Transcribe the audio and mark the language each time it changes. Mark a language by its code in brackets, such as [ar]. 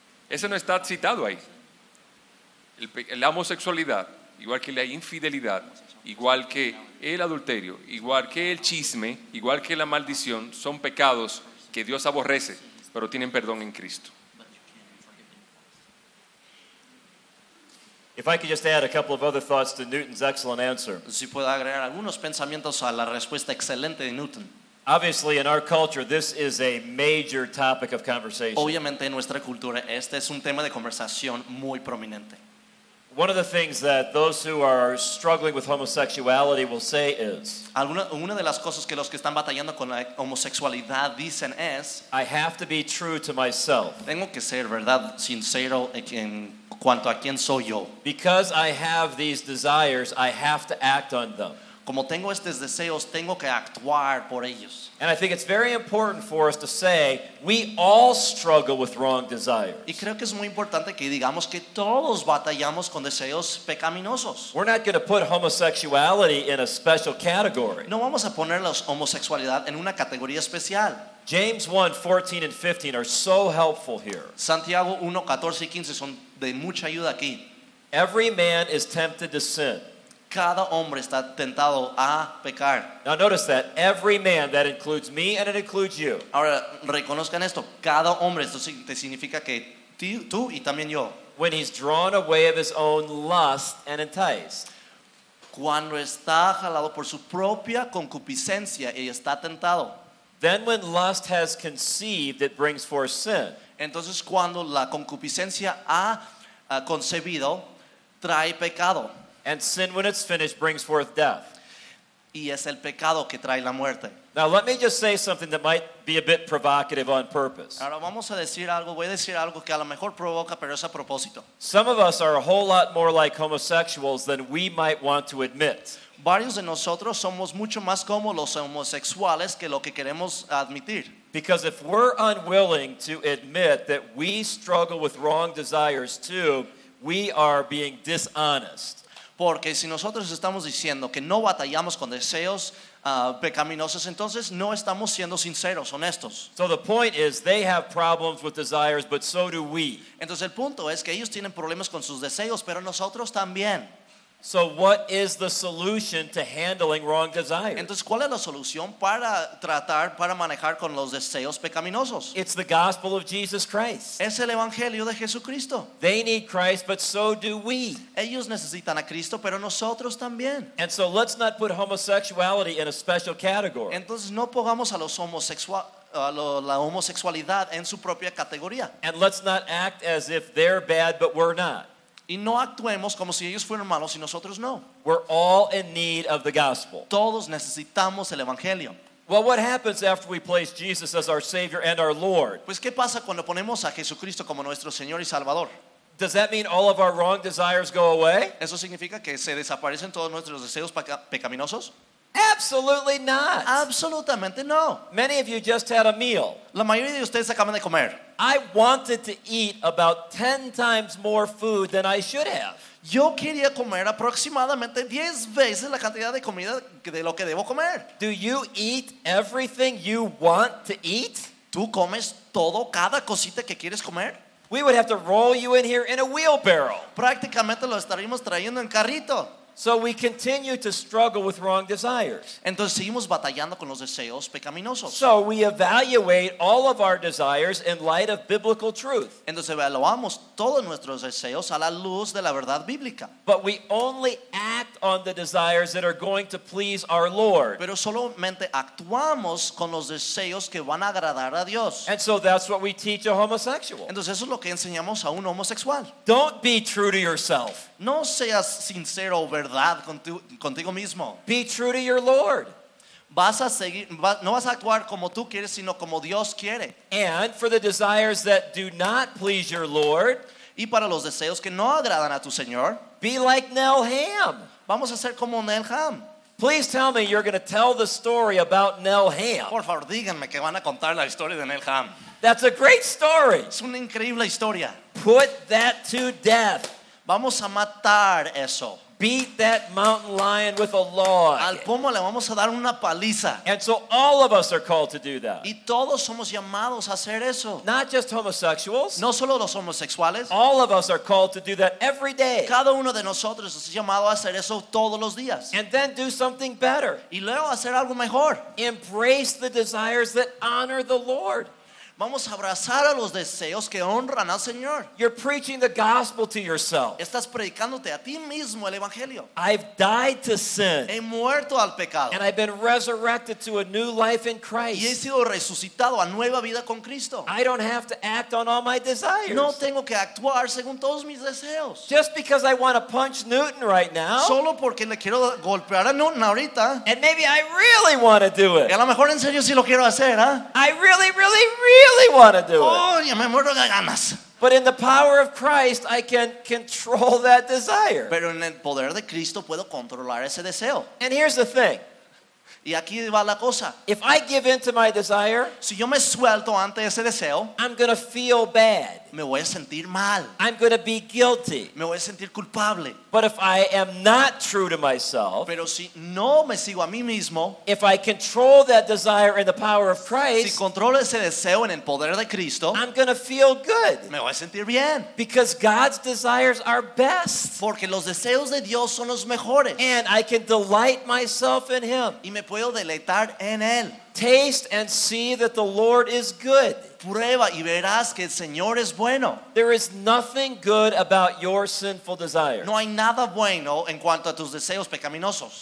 [es] Ese no está citado ahí. La homosexualidad, igual que la infidelidad, igual que el adulterio, igual que el chisme, igual que la maldición, son pecados que Dios aborrece, pero tienen perdón en Cristo. [en] If I could just add a couple of other thoughts to Newton's excellent answer. [es] Si puedo agregar algunos pensamientos a la respuesta excelente de Newton. [en] Obviously, in our culture, this is a major topic of conversation. [es] Obviamente, en nuestra cultura, este es un tema de conversación muy prominente. [en] One of the things that those who are struggling with homosexuality will say is, [es] una de las cosas que los que están batallando con la homosexualidad dicen es, [en] I have to be true to myself. [es] Tengo que ser verdad sincero en cuanto a quién soy yo. [en] Because I have these desires, I have to act on them. [es] Como tengo estos deseos, tengo que actuar por ellos. [en] And I think it's very important for us to say we all struggle with wrong desires. [es] Y creo que es muy importante que digamos que todos batallamos con deseos pecaminosos. [en] We're not going to put homosexuality in a special category. [es] No vamos a poner la homosexualidad en una categoría especial. [en] James 1:14 and 15 are so helpful here. [es] Santiago 1:14 y 15 son de mucha ayuda aquí. [en] Every man is tempted to sin. [es] Cada hombre está tentado a pecar. [en] Now notice that every man, that includes me and it includes you. [es] Ahora reconozcan esto, cada hombre, esto significa que tú y también yo. [en] When he's drawn away of his own lust and enticed. [es] Cuando está jalado por su propia concupiscencia y está tentado. [en] Then when lust has conceived, it brings forth sin. [es] Entonces cuando la concupiscencia ha concebido, trae pecado. [en] And sin, when it's finished, brings forth death. [es] Y es el pecado que trae la muerte. [en] Now let me just say something that might be a bit provocative on purpose. [es] Ahora vamos a decir algo, voy a decir algo que a lo mejor provoca, pero es a propósito. [en] Some of us are a whole lot more like homosexuals than we might want to admit. [es] Varios de nosotros somos mucho más como los homosexuales que lo que queremos admitir. [en] Because if we're unwilling to admit that we struggle with wrong desires too, we are being dishonest. [es] Porque si nosotros estamos diciendo que no batallamos con deseos pecaminosos, entonces no estamos siendo sinceros, honestos. [en] So the point is, they have problems with desires, but so do we. [es] Entonces el punto es que ellos tienen problemas con sus deseos, pero nosotros también. [en] So what is the solution to handling wrong desires? [es] Entonces, ¿cuál es la solución para tratar, para manejar con los deseos pecaminosos? [en] It's the gospel of Jesus Christ. [es] Es el evangelio de Jesucristo. [en] They need Christ, but so do we. [es] Ellos necesitan a Cristo, pero nosotros también. [en] And so let's not put homosexuality in a special category. [es] Entonces, no pongamos a los homosexuales la homosexualidad en su propia categoría. [en] And let's not act as if they're bad, but we're not. [es] Y no actuemos como si ellos fueran malos y nosotros no. [en] We're all in need of the gospel. [es] Todos necesitamos el evangelio. [en] Well, what happens after we place Jesus as our Savior and our Lord? [es] Pues, ¿qué pasa cuando ponemos a Jesucristo como nuestro Señor y Salvador? [en] Does that mean all of our wrong desires go away? [es] ¿Eso significa que se desaparecen todos nuestros deseos pecaminosos? [en] Absolutely not. [es] Absolutamente no. [en] Many of you just had a meal. [es] La mayoría de ustedes acaban de comer. [en] I wanted to eat about 10 times more food than I should have. [es] Yo quería comer aproximadamente 10 veces la cantidad de comida de lo que debo comer. [en] Do you eat everything you want to eat? [es] ¿Tú comes todo, cada cosita que quieres comer? [en] We would have to roll you in here in a wheelbarrow. [es] Prácticamente lo estaríamos trayendo en carrito. [en] So we continue to struggle with wrong desires. [es] Entonces seguimos batallando con los deseos pecaminosos. [en] So we evaluate all of our desires in light of biblical truth. [es] Entonces evaluamos todos nuestros deseos a la luz de la verdad bíblica. [en] But we only act on the desires that are going to please our Lord. [es] Pero solamente actuamos con los deseos que van a agradar a Dios. [en] And so that's what we teach a homosexual. [es] Entonces eso es lo que enseñamos a un homosexual. [en] Don't be true to yourself. [es] No seas sincero, verdad, contigo mismo. [en] Be true to your Lord. [es] Vas a seguir, no vas a actuar como tú quieres, sino como Dios quiere. [en] And for the desires that do not please your Lord, [es] y para los deseos que no agradan a tu Señor, [en] be like Nell Ham. [es] Vamos a ser como Nell Ham. [en] Please tell me you're going to tell the story about Nell Ham. [es] Por favor, díganme que van a contar la historia de Nell Ham. [en] That's a great story. [es] Es una increíble historia. [en] Put that to death. [es] Vamos a matar eso. [en] Beat that mountain lion with a log. [es] Al pomo le vamos a dar una paliza. [en] And so all of us are called to do that. [es] Y todos somos llamados a hacer eso. [en] Not just homosexuals. [es] No solo los homosexuales. [en] All of us are called to do that every day. [es] Cada uno de nosotros es llamado a hacer eso todos los días. [en] And then do something better. [es] Y luego hacer algo mejor. [en] Embrace the desires that honor the Lord. [es] Vamos a abrazar a los deseos que honran al Señor. [en] You're preaching the gospel to yourself. [es] Estás predicándote a ti mismo el evangelio. [en] I've died to sin. [es] He muerto al pecado. [en] And I've been resurrected to a new life in Christ. [es] Y he sido resucitado a nueva vida con Cristo. [en] I don't have to act on all my desires. [es] No tengo que actuar según todos mis deseos. [en] Just because I want to punch Newton right now. [es] Solo porque le quiero golpear a Newton ahorita. [en] And maybe I really want to do it. [es] Y a lo mejor en serio sí lo quiero hacer, ¿ah? ¿Eh? [en] I really, really, really really want to do it. [es] Oh, yo me muero de ganas. [en] But in the power of Christ, I can control that desire. [es] Pero en el poder de Cristo puedo controlar ese deseo. [en] And here's the thing. [es] Y aquí va la cosa. [en] If I give in to my desire, [es] si yo me suelto ante ese deseo, [en] I'm going to feel bad. [es] Me voy a sentir mal. [en] I'm going to be guilty. [es] Me voy a sentir culpable. [en] But if I am not true to myself, [es] pero si no me sigo a mí mismo, [en] if I control that desire in the power of Christ, [es] si controlo ese deseo en el poder de Cristo, [en] I'm going to feel good. [es] Me voy a sentir bien. [en] Because God's desires are best. [es] Porque los deseos de Dios son los mejores. [en] And I can delight myself in Him. [es] Y me puedo deleitar en Él. [en] Taste and see that the Lord is good. [es] Prueba y verás que el Señor es bueno. [en] There is nothing good about your sinful desires. [es] No hay nada bueno en cuanto a tus deseos pecaminosos.